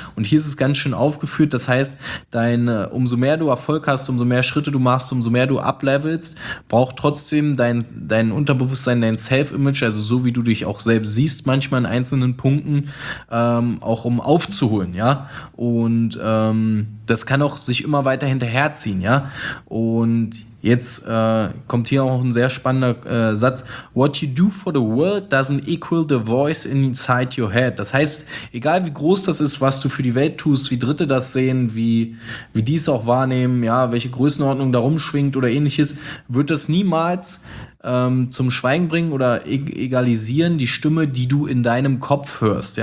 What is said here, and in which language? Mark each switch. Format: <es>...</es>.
<de>Und hier ist es ganz schön aufgeführt. Das heißt, umso mehr du Erfolg hast, umso mehr Schritte du machst, umso mehr du uplevelst, braucht trotzdem dein Unterbewusstsein, dein Self-Image, also so wie du dich auch selbst siehst, manchmal in einzelnen Punkten, auch um aufzuholen. Ja, und das kann auch sich immer weiter hinterherziehen, ja. Und jetzt kommt hier auch ein sehr spannender Satz.</de> <en>What you do for the world doesn't equal the voice inside your head.</en> <de>Das heißt, egal wie groß das ist, was du für die Welt tust, wie Dritte das sehen, wie die es auch wahrnehmen, ja, welche Größenordnung da rumschwingt oder ähnliches, wird das niemals zum Schweigen bringen oder egalisieren die Stimme, die du in deinem Kopf hörst.</de>